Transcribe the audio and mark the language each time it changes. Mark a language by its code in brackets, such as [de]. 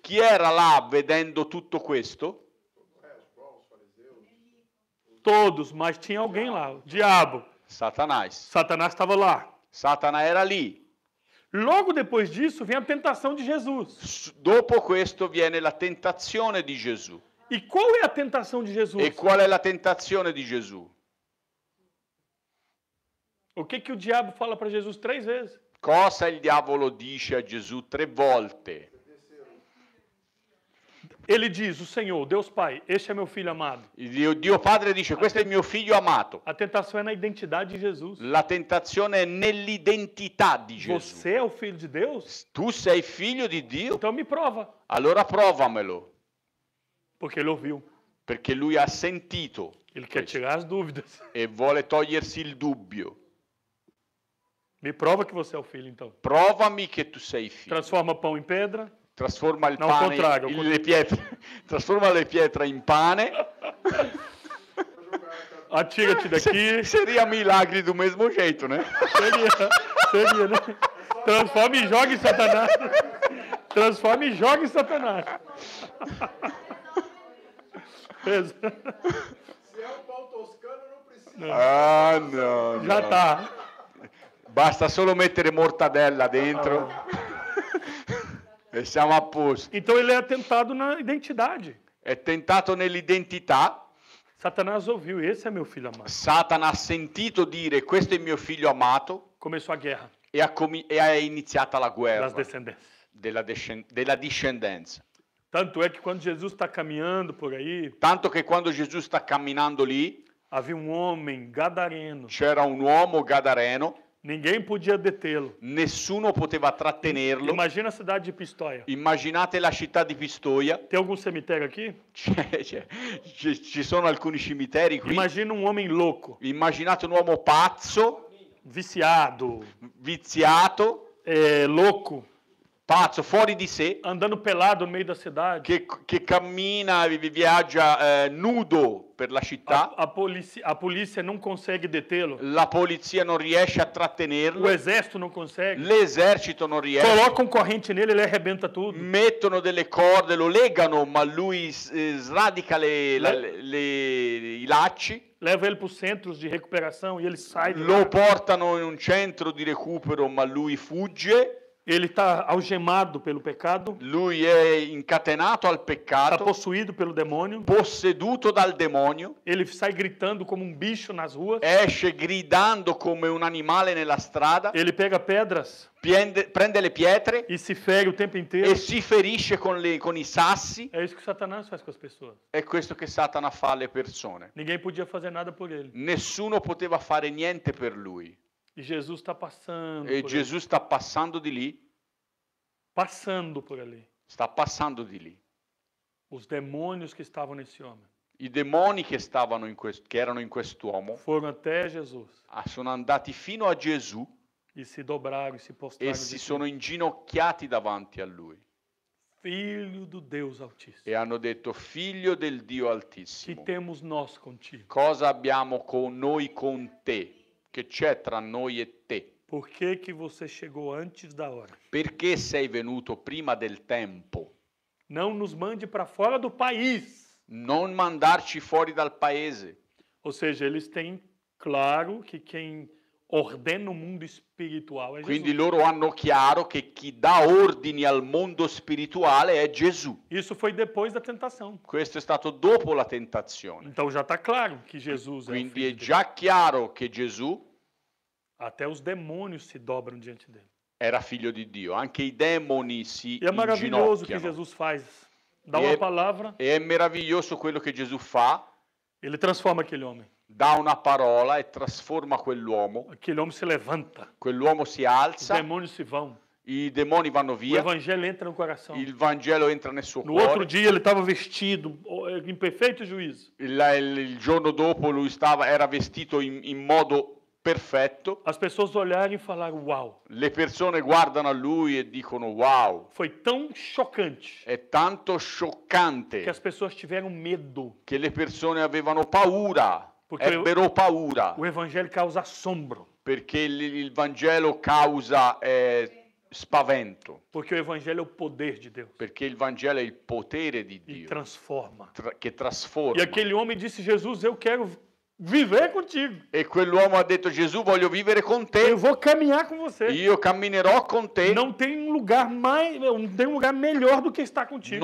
[it] Chi era là vedendo tutto questo? [pt] Todos, mas tinha alguém lá. Diabo. Satanás. Satanás estava lá. [it] Satana era lì. [pt] Logo depois disso vem a tentação de Jesus. [it] Dopo questo viene la tentazione di Gesù. [pt] E qual é a tentação de Jesus? [it] E qual è la tentazione di Gesù? [pt] O que que o diabo fala para Jesus três vezes? [it] Cosa il diavolo dice a Gesù tre volte? [pt] Ele diz, o Senhor, Deus Pai, este é meu filho amado. [it] Dio Padre dice, questo è mio figlio amato. [pt] A tentação é na identidade de Jesus. [it] La tentazione è nell'identità di Gesù. [pt] Você é o filho de Deus? [it] Tu sei figlio di Dio? [pt] Então me prova. [it] Allora provamelo. [pt] Porque ele ouviu. [it] Perché lui ha sentito. [pt] Ele quer tirar as dúvidas. [it] E vuole togliersi il dubbio. [pt] Me prova que você é o filho, então. [it] Provami che tu sei figlio. [pt] Trasforma pão em pedra. [it] Trasforma il [pt] Não, [it] pane, contrario, il, le pietre, trasforma le pietre in pane. [pt] Atira-te daqui. Seria milagre do mesmo jeito, né? Seria, né? Transforma e joga em Satanás. Transforma e joga em Satanás. Se é o pão toscano, não precisa. Não. Ah, não. Já não. Tá. [it] Basta solo mettere mortadella dentro. E siamo a posto. [pt] Então ele é tentado na identidade. É tentado [it] nell'identità. [pt] Satanás ouviu, esse é meu filho amado. [it] Satana ha sentito dire, questo è mio figlio amato. [pt] Começou a guerra. [it] E ha iniziata la guerra. [pt] Das descendências. [it] Della discendenza. [pt] Tanto é que quando Jesus está caminhando por aí. Tanto que quando Jesus está caminhando lì. Havia um homem gadareno. [it] C'era un uomo gadareno. [pt] Ninguém podia detê-lo. [it] Nessuno poteva trattenerlo. [pt] Imagina a cidade de Pistoia. [it] Immaginate la città di Pistoia. [pt] Tem algum cemitério aqui? [it] Ci sono alcuni cimiteri qui. [pt] Imagina um homem louco. [it] Immaginate un uomo pazzo. [pt] Viciado. [it] Viziato. [pt] Louco. [it] Pazzo, fuori di sé. [pt] Andando pelado no meio da cidade. [it] Che cammina, viaggia nudo. Per la città. [pt] A polícia não consegue detê-lo. [it] La polizia non riesce a trattenerlo. [pt] O exército não consegue. [it] L'esercito non riesce. [pt] Coloca um corrente nele, ele arrebenta tudo. [it] Mettono delle corde, lo legano, ma lui sradica i lacci. [pt] Leva ele para os centros de recuperação e ele sai. [it] Lo portano in un centro di recupero, ma lui fugge. [pt] Ele está algemado pelo pecado. [it] Lui é incatenato al peccato. [pt] Está possuído pelo demônio. [it] Posseduto dal demônio. [pt] Ele sai gritando como um bicho nas ruas. [it] Esce gridando come un animale nella strada. [pt] Ele pega pedras. [it] Prende le pietre. [pt] E si fere o tempo inteiro. [it] E si ferisce con i sassi. [pt] É isso que Satanás faz com as pessoas. [it] È questo che Satana fa alle persone. [pt] Ninguém podia fazer nada por ele. [it] Nessuno poteva fare niente per lui. [pt] E Jesus está passando. E Jesus está passando de lì. Passando por ali. Está passando de lì. Os demônios que estavam nesse homem. [it] I demoni che stavano in questo, che erano in quest'uomo. [pt] Foram até Jesus. [it] Sono andati fino a Gesù. [pt] E si dobraram, si postaram. [it] E si sono inginocchiati davanti a lui. [pt] Filho do Deus Altíssimo. [it] E hanno detto figlio del Dio Altissimo. [pt] Que temos nós contigo? [it] Cosa abbiamo con noi con te? Che c'è tra noi e te? [pt] Perché che você chegou antes da hora? [it] Perché sei venuto prima del tempo? [pt] Não nos mande para fora do país. [it] Non mandarci fuori dal paese. [pt] Ou seja, eles têm claro que quem ordena o mundo espiritual é Jesus. [it] Quindi loro hanno chiaro che chi dà ordini al mondo spirituale è Gesù. [pt] Isso foi depois da tentação. [it] Questo è stato dopo la tentazione. [pt] Então já tá claro que Jesus [it] Quindi è già chiaro che Gesù [pt] até os demônios se dobram diante dele. [it] Era figlio di Dio, anche i demoni si E è [pt] maravilhoso che Jesus faz. Dá e uma palavra. [it] E è meraviglioso quello che Gesù fa. [pt] Ele transforma aquele homem. [it] Dà una parola e trasforma quell'uomo. Quell'uomo si levanta. Quell'uomo si alza. I demoni si vão. I demoni vanno via. [pt] L'evangelo entra no coração. [it] Il Vangelo entra nel suo no cuore. [pt] No outro dia ele estava vestido em perfeito juízo. [it] Il giorno dopo lui era vestito in modo perfetto. [pt] As pessoas olharam e falaram uau. [it] Le persone guardano a lui e dicono wow. [pt] Foi tão chocante. [it] È tanto scioccante. [pt] Che as pessoas tiveram medo. [it] Che le persone avevano paura. Ebbero paura. [pt] O evangelho causa assombro. [it] Perché il Vangelo causa spavento. [pt] Porque o evangelho é o poder de Deus. [it] Perché il Vangelo è il potere di Dio. [pt] E transforma. [it] Che trasforma. [pt] E aquele homem disse Jesus, eu quero viver contigo. [it] E quell'uomo ha detto: Gesù, voglio vivere con te. [pt] Eu vou caminhar com você. [it] Io camminerò con te. [pt] Não tem um lugar mais, não tem um lugar melhor do que estar contigo.